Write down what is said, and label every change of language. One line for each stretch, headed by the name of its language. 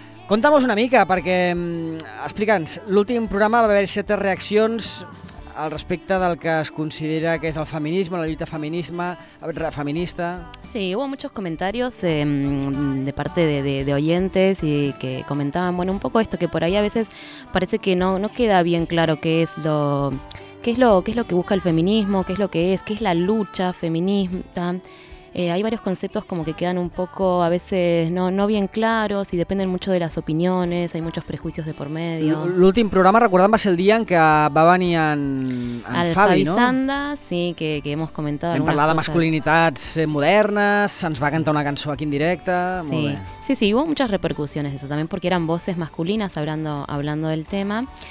Catalan: Conta'm-nos una mica, perquè, explica'ns, l'últim programa va haver certes reaccions al respecte del que es considera que és el feminisme, la lluita feminista.
Spanish: Sí, hubo muchos comentarios de parte de oyentes y que comentaban, bueno, un poco esto, que por ahí a veces parece que no queda bien claro qué es lo que busca el feminismo, qué es la lucha feminista. Hay varios conceptos como que quedan un poco a veces no bien claros y dependen mucho de las opiniones, hay muchos prejuicios de por medio.
Catalan: L'últim programa, recordem, va ser el dia en què va venir en Fabi, no?
Spanish: Al Fabi Sanda, sí, que hemos comentado.
Catalan: Hem parlat de masculinitats modernes, se'ns va cantar una cançó aquí en directe, molt bé.
Spanish: Sí, hubo muchas repercusiones de eso también porque eran voces masculinas hablando del tema.